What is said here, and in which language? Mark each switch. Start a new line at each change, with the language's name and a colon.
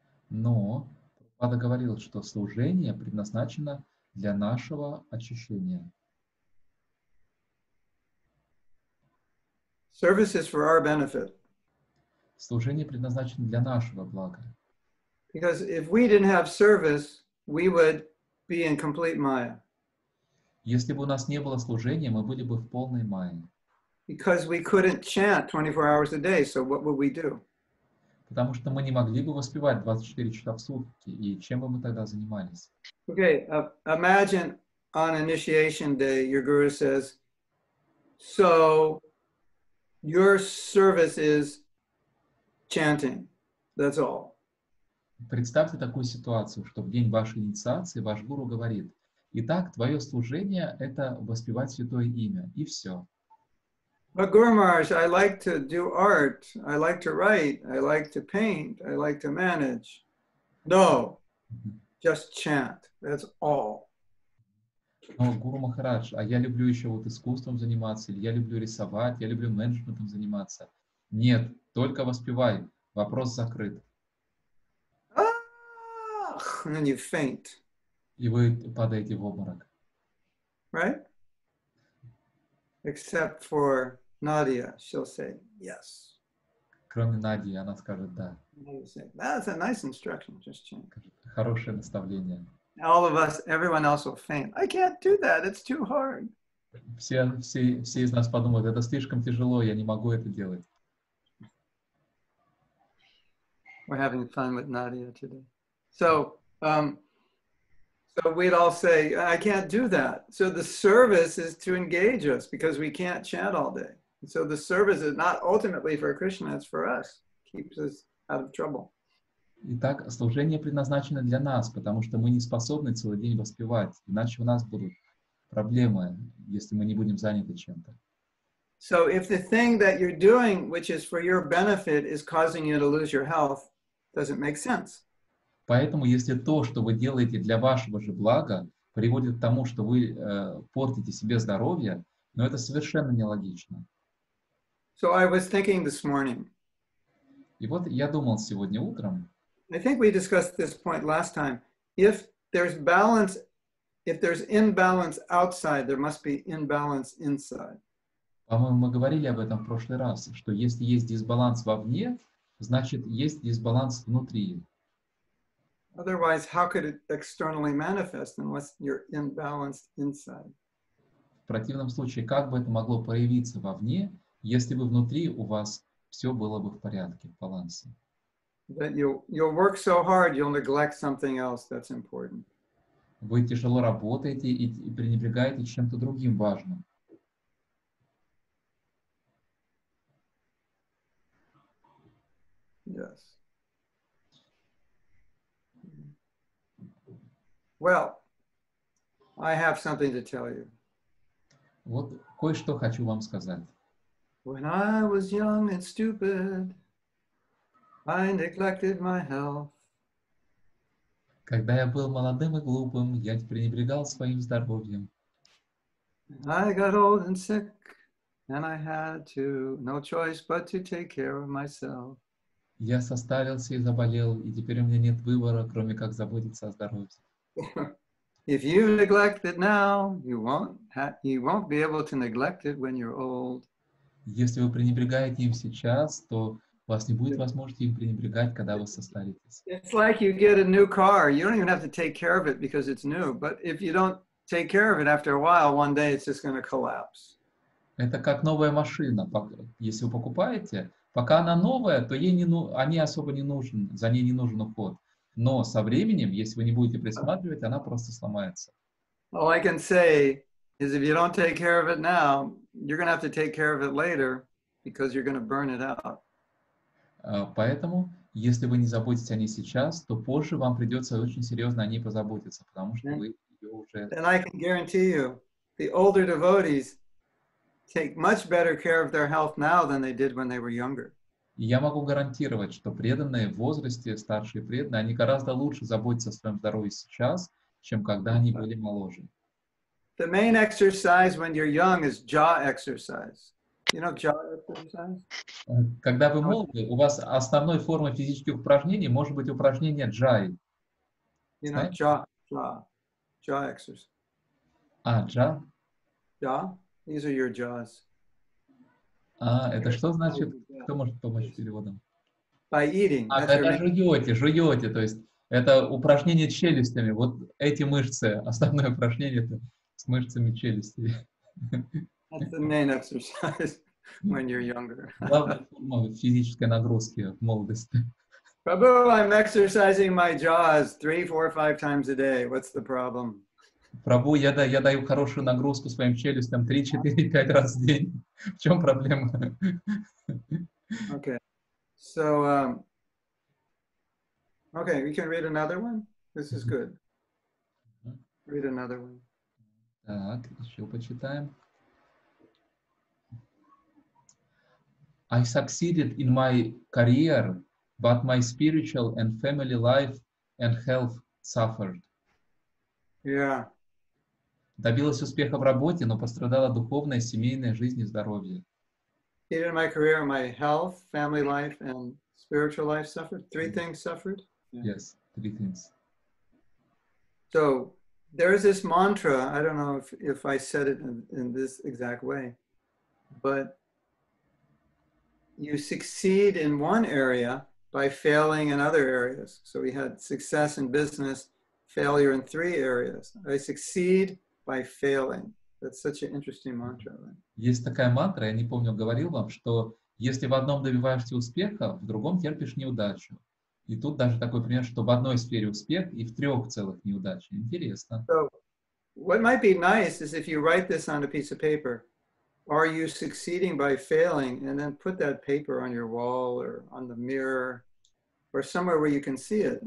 Russian: Но Прабхупада говорил, что служение предназначено для нашего очищения.
English: Service is for our benefit.
Russian: Служение предназначено для нашего блага.
English: Because if we didn't have service, we would be in complete maya.
Russian: Если бы у нас не было служения, мы были бы в полной майе.
English: Because we couldn't chant 24 hours a day, so what would we do?
Russian: Потому что мы не могли бы воспевать 24 часа в сутки, и чем бы мы тогда занимались?
English: Okay, imagine on initiation day, your guru says, so your service is chanting. That's all.
Russian: Представьте такую ситуацию, что в день вашей инициации ваш гуру говорит: "Итак, твое служение — это воспевать святое имя, и все."
English: But Guru Maharaj, I like to do art. I like to write. I like to paint. I like to manage. No, just chant. That's all.
Russian: Но Гуру Махарадж, а я люблю еще вот искусством заниматься, или я люблю рисовать, я люблю менеджментом заниматься. Нет, только воспевай. Вопрос закрыт.
English: Ah, and then you faint.
Russian: И вы падаете в обморок.
English: Right? Except for Nadia, she'll say yes.
Russian: Кроме Нади, она скажет да.
English: That's a nice instruction, just change.
Russian: Хорошее наставление.
English: All of us, everyone else will faint. I can't do that. It's too hard.
Russian: Все из нас подумают, это слишком тяжело, я не могу это делать.
English: We're having fun with Nadia today. So, so we'd all say, I can't do that. So the service is to engage us because we can't chant all day. So the service is not ultimately for Krishna, it's for us. Keeps us out of trouble.
Russian: Итак, служение предназначено для нас, потому что мы не способны целый день воспевать, иначе у нас будут проблемы, если мы не будем заняты чем-то.
English: So if the thing that you're doing, which is for your benefit, is causing you to lose your health, doesn't make sense.
Russian: Поэтому, если то, что вы делаете для вашего же блага, приводит к тому, что вы портите себе здоровье, но это совершенно нелогично.
English: So I was thinking this morning.
Russian: И вот я думал сегодня утром.
English: I think we discussed this point last time. If there's balance, if there's imbalance outside, there must be imbalance inside.
Russian: По-моему, мы говорили об этом в прошлый раз, что если есть дисбаланс вовне, значит, есть дисбаланс внутри.
English: Otherwise, how could it externally manifest unless you're imbalanced inside?
Russian: В противном случае, как бы это могло проявиться вовне, если бы внутри у вас все было бы в порядке, в балансе?
English: That you'll work so hard, you'll neglect something else that's important.
Russian: Вы тяжело работаете и пренебрегаете чем-то другим важным.
English: Yes. Well, I have something to tell you.
Russian: Вот кое-что хочу вам сказать.
English: When I was young and stupid, I neglected my health.
Russian: Когда я был молодым и глупым, я пренебрегал своим здоровьем.
English: I got old and sick, and I had to no choice but to take care of myself.
Russian: Я состарился и заболел, и теперь у меня нет выбора, кроме как заботиться о здоровье.
English: If you neglect it now, you won't be able to neglect it when you're old.
Russian: Если вы пренебрегаете им сейчас, то у вас не будет возможности им пренебрегать, когда вы состаритесь.
English: It's like you get a new car. You don't even have to take care of it because it's new. But if you don't take care of it after a while, one day it's just going to collapse.
Russian: Это как новая машина. Если вы покупаете, пока она новая, то ей не, они особо не нужен, за ней не нужен уход. Но со временем, если вы не будете присматривать, она просто сломается.
English: All I can say is if you don't take care of it now, you're going to have to take care of it later because you're going to burn it out.
Russian: Поэтому, если вы не заботитесь о ней сейчас, то позже вам придется очень серьезно о ней позаботиться, потому что вы ее уже...
English: And I can guarantee you, the older devotees take much better care of their health now than they did when they were younger.
Russian: Я могу гарантировать, что преданные в возрасте, старшие преданные, они гораздо лучше заботятся о своем здоровье сейчас, чем когда они были моложе.
English: The main exercise when you're young is jaw exercise. You know jaw exercise?
Russian: Когда вы молоды, у вас основной формой физических упражнений может быть упражнение джай.
English: You know, jaw exercise.
Russian: А, джа?
English: Jaw? These are your jaws.
Russian: А, это что значит? Кто может помочь переводом?
English: By eating.
Russian: А, когда жуете, то есть это упражнение челюстями. Вот эти мышцы, основное упражнение это с мышцами челюсти.
English: That's the main exercise when you're younger.
Russian: Главная форма физической нагрузки в молодости.
English: Prabhu, I'm exercising my jaws 3, 4, 5 times a day. What's the problem?
Russian: Прабу, я даю хорошую нагрузку своим челюстям 3, 4, 5 раз в день. В чем проблема?
English: Okay. So, okay, we can read another one. This is good. Read another one.
Russian: Так, еще почитаем.
English: I succeeded in my career, but my spiritual and family life and health suffered. Yeah.
Russian: Добилась успеха в работе, но пострадала духовная, семейная жизнь и здоровье.
English: In my career, my health, family life, and spiritual life suffered. Three things suffered. Yeah. Yes, three things. So there is this mantra. I don't know if I said it in this exact way, but you succeed in one area by failing in other areas. So we had success in business, failure in three areas. I succeed by failing. That's such an interesting mantra. Right?
Russian: Есть такая мантра, я не помню, говорил вам, что если в одном добиваешься успеха, в другом терпишь неудачу. И тут даже такой пример, что в одной сфере успех и в трех целых неудачи. Интересно.
English: So, what might be nice is if you write this on a piece of paper. Are you succeeding by failing? And then put that paper on your wall or on the mirror or somewhere where you can see it.